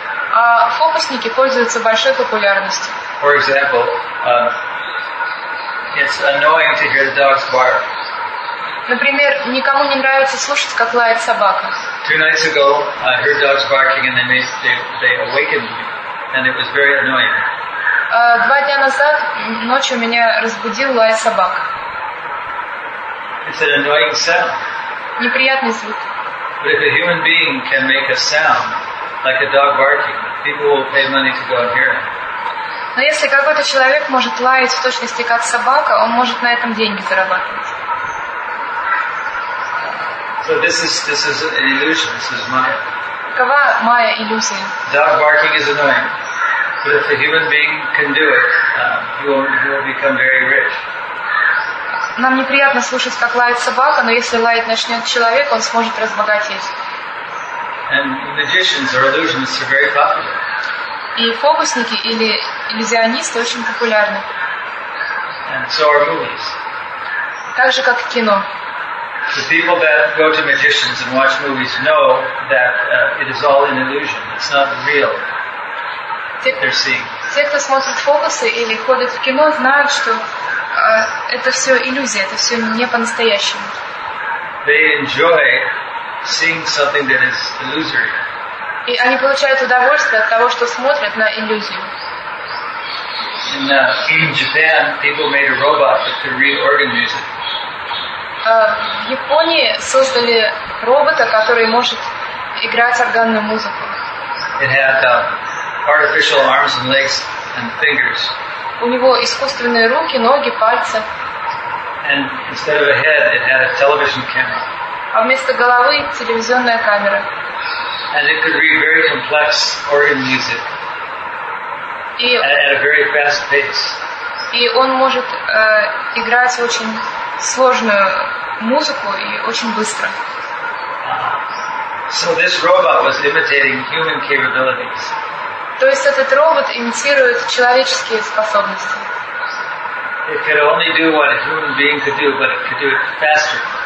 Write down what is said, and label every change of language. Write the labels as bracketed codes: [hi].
[ru] А фокусники пользуются большой популярностью. [en] For example, it's annoying to hear the dogs bark. [ru] Например, никому не нравится слушать, как лает собака. [en] Two nights ago, I heard dogs barking, and they awakened me, and it was very annoying. [ru] Два дня назад ночью меня разбудил лай собак. [en] It's an annoying sound. [ru] Неприятный звук. [en] But if a human being can make a sound like a dog barking, people will pay money to go and hear it. [ru] Но если какой-то человек может лаять в точности как собака, он может на этом деньги зарабатывать. [en] So this is an illusion. This is Maya. [ru] Какова Maya иллюзия? [en] Dog barking is annoying. But if a human being can do it, he will become very rich. [ru] Нам неприятно слушать, как лает собака, но если лает начнет человек, он сможет разбогатеть. [en] And magicians or illusionists are very popular. [ru] И фокусники или иллюзионисты очень популярны. [en] And so are movies. [ru] Так же, как кино. [en] The people that go to magicians and watch movies know that it is all an illusion. It's not real. [ru] Те, кто смотрит фокусы или ходит в кино, знают, что это все иллюзия, это все не по-настоящему. [en] They enjoy seeing something that is illusory. [ru] И они получают удовольствие от того, что смотрят на иллюзию. [en] In Japan, people made a robot that could read organ music. [ru] В Японии создали робота, который может играть органную музыку. [en] It had artificial arms and legs and fingers. [ru] У него искусственные руки, ноги, пальцы. [en] And instead of a head, it had a television camera. [ru] А вместо головы телевизионная камера. [en] And it could read very complex organ music. [ru] И [en] at a very fast pace. [ru] И он может играть очень сложную музыку и очень быстро. [en] So this robot was imitating human capabilities. [ru] То есть этот робот имитирует человеческие способности. [en] It could only do what a human being could do, but it could do it faster.